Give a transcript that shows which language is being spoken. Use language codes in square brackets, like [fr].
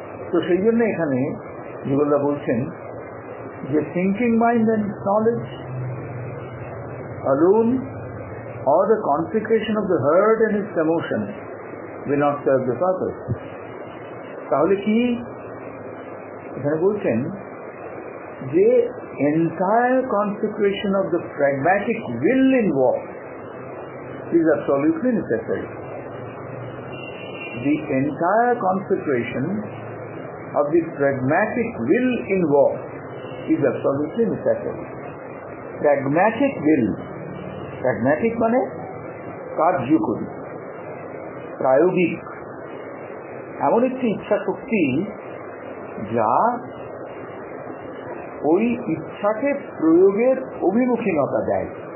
[bn] তো সেই জন্য এখানে যুগলদা বলছেন যে [en] Thinking mind and knowledge alone or the concentration of the heart and its emotion will not serve the purpose. [bn] তাহলে কি এখানে বলছেন যে [en] Entire concentration of the pragmatic will in work is absolutely necessary. The entire concentration of the pragmatic will in war is absolutely necessary. [bn] Pragmatic will, pragmatic মানে কার্যকরী, প্রায়োগিক, এমন একটি ইচ্ছা শক্তি যা ওই ইচ্ছাকে প্রয়োগের অভিমুখীনতা দেয়,